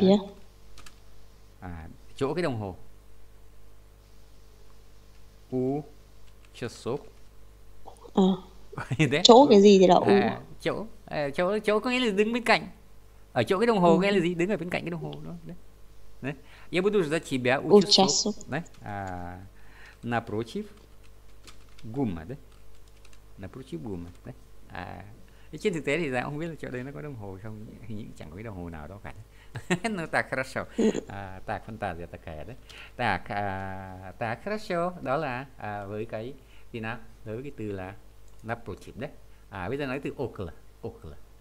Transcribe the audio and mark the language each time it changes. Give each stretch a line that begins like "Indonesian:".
Russian: тебя.
Vietnamese: Chỗ cái đồng hồ.
Russian: U часов.
Vietnamese: Đấy. Chỗ cái gì thì là À, u chỗ chỗ chỗ có nghĩa là đứng bên cạnh. Ở chỗ cái đồng hồ nghĩa là gì? Đứng ở bên cạnh cái đồng hồ đó. Đấy. Đấy.
Russian: Я буду ждать тебя у часов. часу
Vietnamese: Đấy.
Russian: Напротив гума,
Vietnamese: đấy.
Russian: Напротив гума, đấy.
Vietnamese: Trên thực tế thì dạ không biết là chỗ đây nó có đồng hồ không, hình như chẳng có cái đồng hồ nào đó cả. Nó tạc khá sâu, tạc phân tạc gì tạc kẻ đấy, tạc tạc khá sâu. Đó là với cái gì nào, đối với cái từ là napro đấy. Bây giờ nói từ ocular.